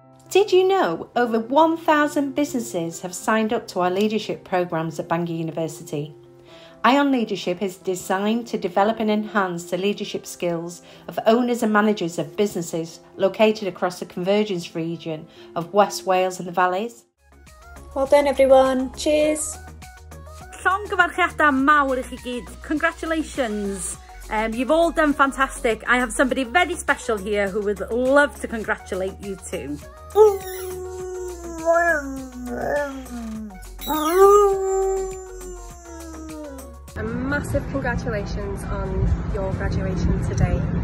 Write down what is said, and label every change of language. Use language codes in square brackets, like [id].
[en] Did you know over 1,000 businesses have signed up to our leadership programmes at Bangor University? ION Leadership is designed to develop and enhance the leadership skills of owners and managers of businesses located across the convergence region of West Wales and the Valleys. Well done, everyone. Cheers. [cy] Llong gyfarchiadau mawr I chi gyd. [en] Congratulations. You've all done fantastic. I have somebody very special here who would love to congratulate you too. A massive congratulations on your graduation today.